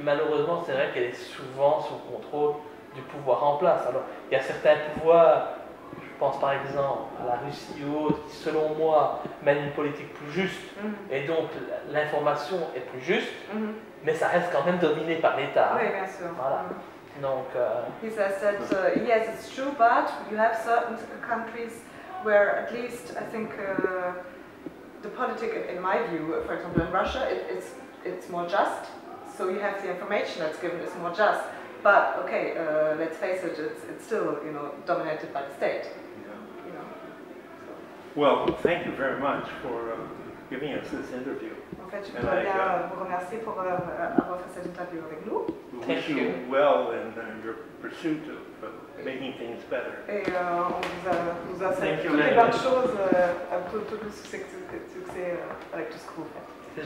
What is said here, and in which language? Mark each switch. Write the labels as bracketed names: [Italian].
[French] Malheureusement, c'est vrai qu'elle est souvent sous contrôle du pouvoir en place. Alors, il y a certains pouvoirs. Je pense par exemple à la Russie ou autre, qui selon moi mène une politique plus juste et donc l'information est plus juste, mais ça reste quand même dominé par l'État. Oui, bien sûr. Voilà. Donc. [English] He says that yes, it's true, but you have certain countries where at least I think the politic, in my view, for example in Russia, it's more just. So you have the information that's given is more just. But okay, let's face it, it's still dominated by the state. Well, thank you very much for giving us this interview. [French] En fait, je voudrais bien vous remercier pour avoir fait cette interview avec nous. [English] Wish you well in your pursuit of making things better. [French] Et on vous a fait toutes les bonnes choses, tout le succès avec tout ce que vous faites.